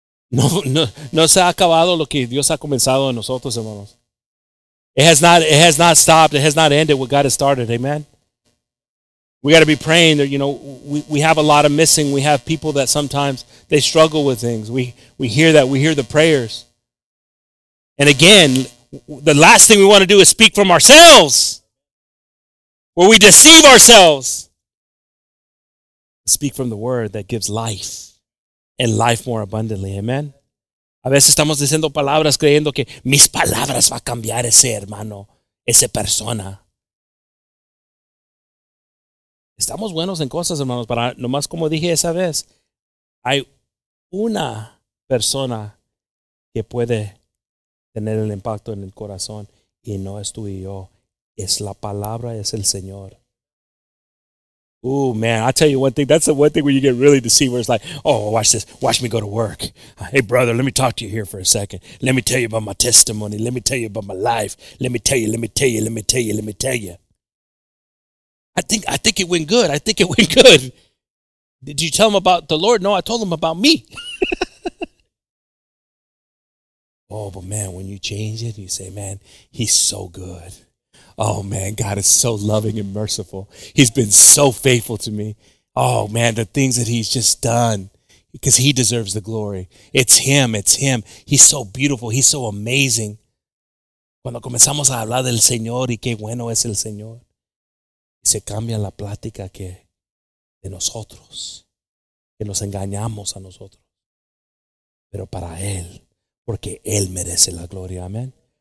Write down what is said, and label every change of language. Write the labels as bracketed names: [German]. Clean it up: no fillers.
[Spanish] No se ha acabado lo que Dios ha comenzado en nosotros, hermanos. [English] It has not stopped. It has not ended what God has started. Amen. We got to be praying that, you know, we have a lot of missing. We have people that sometimes they struggle with things. We hear that. We hear the prayers. And again, the last thing we want to do is speak from ourselves, where we deceive ourselves. Speak from the word that gives life. And life more abundantly. Amen. [Spanish] A veces estamos diciendo palabras creyendo que mis palabras va a cambiar ese hermano, esa persona. Estamos buenos en cosas, hermanos, pero nomás como dije esa vez, hay una persona que puede tener el impacto en el corazón y no es tú y yo. Es la palabra, es el Señor. [English] Oh man, I'll tell you one thing. That's the one thing where you get really deceived, where it's like, oh, watch this. Watch me go to work. Hey, brother, let me talk to you here for a second. Let me tell you about my testimony. Let me tell you about my life. Let me tell you, let me tell you, let me tell you, let me tell you. I think it went good. I think it went good. Did you tell him about the Lord? No, I told him about me. Oh, but man, when you change it, you say, man, he's so good. Oh, man, God is so loving and merciful. He's been so faithful to me. Oh, man, the things that he's just done, because he deserves the glory. It's him. It's him. He's so beautiful. He's so amazing. [Spanish] Cuando comenzamos a hablar del Señor y qué bueno es el Señor, se cambia la plática que de nosotros, que nos engañamos a nosotros, pero para él, porque él merece la gloria. Amen.